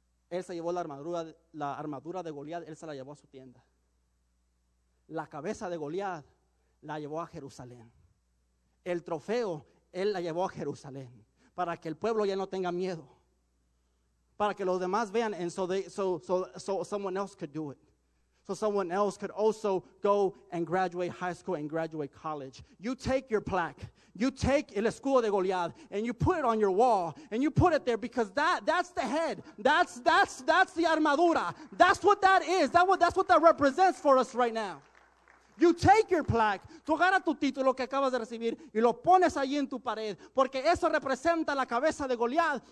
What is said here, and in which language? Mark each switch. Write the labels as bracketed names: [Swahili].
[Spanish] Él se llevó la armadura de Goliat, él se la llevó a su tienda. La cabeza de Goliat la llevó a Jerusalén. El trofeo, él la llevó a Jerusalén. Para que el pueblo ya no tenga miedo. Para que los demás vean, [English] and so someone else could do it. So someone else could also go and graduate high school and graduate college. You take your plaque. You take [Spanish] el escudo de Goliat [English] and you put it on your wall and you put it there because that's the head. That's the armadura. That's what that is. That's what that represents for us right now. You take your plaque. [Spanish] Tú agarras tu título que acabas de recibir y lo pones ahí en tu pared porque eso representa la cabeza de Goliat.